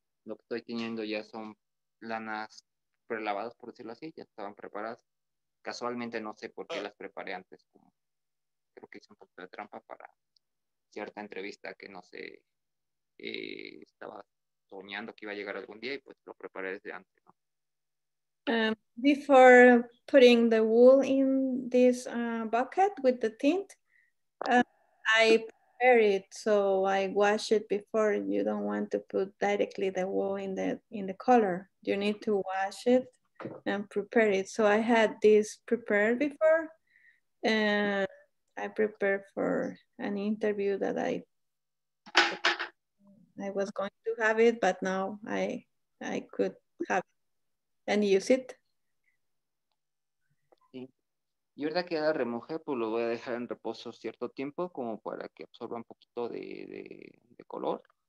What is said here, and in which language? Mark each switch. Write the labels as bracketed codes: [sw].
[es] Lo que estoy tiñendo ya son lanas prelavadas, por decirlo así, ya estaban preparadas. Casualmente no sé por qué las preparé antes, como creo que hice un poco de trampa para cierta entrevista que no sé, estaba soñando que iba a llegar algún día y pues lo preparé desde antes, ¿no? [en] Before putting the wool in this bucket with the tint, I prepare it, so I wash it before. You don't want to put directly the wool in the color. You need to wash it and prepare it. So I had this prepared before, and I prepared for an interview that I was going to have it, but now I could have it and use it. [es] Y ahora que ya la remojé, pues lo voy a dejar en reposo cierto tiempo como para que absorba un poquito de color.